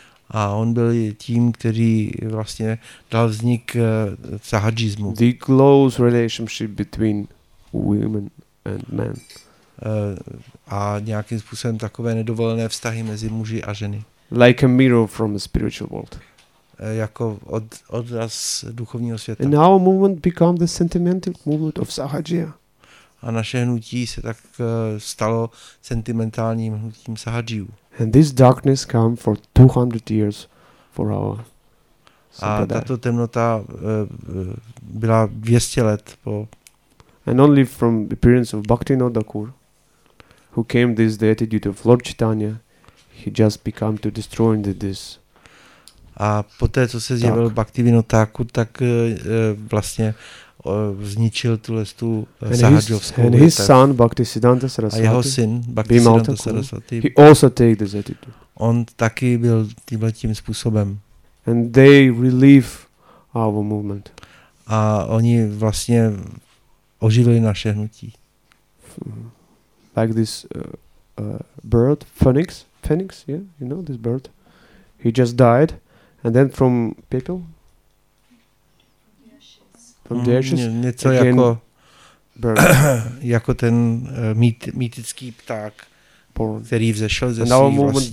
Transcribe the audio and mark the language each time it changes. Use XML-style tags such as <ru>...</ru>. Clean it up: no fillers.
<cs>A on byl tím, který vlastně dal vznik sahajismu.</cs> <en>The close relationship between women and men.</en> <cs>A nějakým způsobem takové nedovolené vztahy mezi muži a ženy.</cs> <en>Like a mirror from the spiritual world.</en> <cs>Jako odraz duchovního světa.</cs> <en>And our movement became the sentimental movement of Sahajya.</en> <cs>A naše hnutí se tak stalo sentimentálním hnutím Sahajiu.</cs> <en>And this darkness came for 200 years for our</en> <cs>Sampradaya. A tato temnota byla 200 let po.</cs> <en>And only from the appearance of Bhaktivinoda Thakur, who came this the attitude of Lord Chaitanya, he just became to destroy this.</en> <cs>A poté, co se zjevil Bhaktivinoda Thakur, tak vlastně zničil tuhle tu Sahajovskou.</cs> <en>And his son Bhaktisiddhanta Saraswati.</en> <cs>A jeho syn Bhaktisiddhanta Saraswati.</cs> <en>He also take this attitude.</en> <cs>On taky byl tímhle tím způsobem.</cs> <en>And they relieve our movement.</en> <cs>A oni vlastně oživili naše hnutí.</cs> <en>Like this bird, phoenix, yeah, you know this bird. He just died, and then from</en> <cs>pepel,</cs> <en>from the ashes,</en> <cs>něco</cs> <en>again,</en> <cs>jako</cs> <en>bird.</en> <cs>Jako ten mýtický pták,</cs> <en>born.</en> <cs>Který vzešel ze svých vlastních.</cs>